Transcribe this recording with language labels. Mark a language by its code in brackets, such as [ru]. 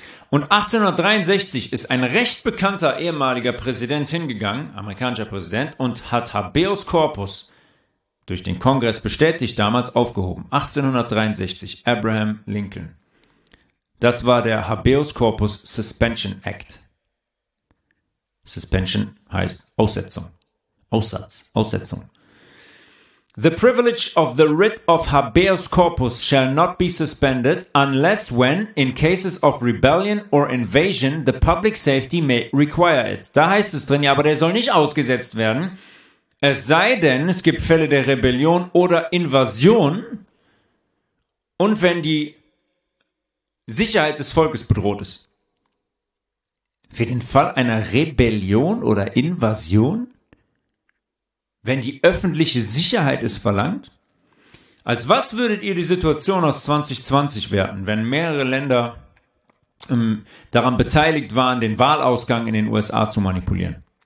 [de] Und 1863 ist ein recht bekannter ehemaliger Präsident hingegangen, amerikanischer Präsident, und hat Habeas Corpus durch den Kongress bestätigt, damals aufgehoben. 1863, Abraham Lincoln. Das war der Habeas Corpus Suspension Act. Suspension heißt Aussetzung. Aussatz, Aussetzung. [en] The privilege of the writ of habeas corpus shall not be suspended unless when, in cases of rebellion or invasion, the public safety may require it. [de] Da heißt es drin, ja, aber der soll nicht ausgesetzt werden. Es sei denn, es gibt Fälle der Rebellion oder Invasion und wenn die Sicherheit des Volkes bedroht ist. Für den Fall einer Rebellion oder Invasion, wenn die öffentliche Sicherheit es verlangt, als was würdet ihr die Situation aus 2020 werten, wenn mehrere Länder daran beteiligt waren, den Wahlausgang in den USA zu manipulieren?